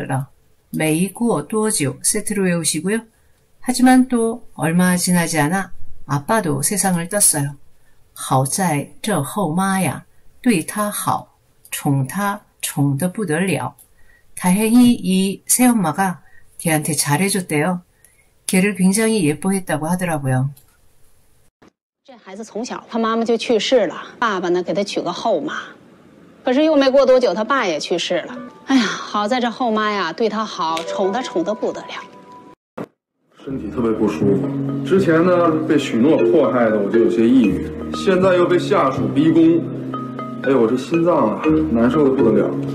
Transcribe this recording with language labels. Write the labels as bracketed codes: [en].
[zh] 可是又没过多久,他爸也去世了.没过多久 [ko] 세트로 외우시고요. 하지만 또 얼마 지나지 않아 아빠도 세상을 떴어요. [zh] 好在这后妈呀,对他好,宠他宠得不得了. [ko] 다행히 이 새엄마가 걔한테 잘해줬대요. 걔를 굉장히 예뻐했다고 하더라고요. [zh] 这孩子从小，他妈妈就去世了，爸爸呢给他娶个后妈，可是又没过多久，他爸也去世了。哎呀，好在这后妈呀对他好，宠他宠得不得了。身体特别不舒服，之前呢被许诺迫害的我就有些抑郁，现在又被下属逼宫，哎呦我这心脏啊难受得不得了。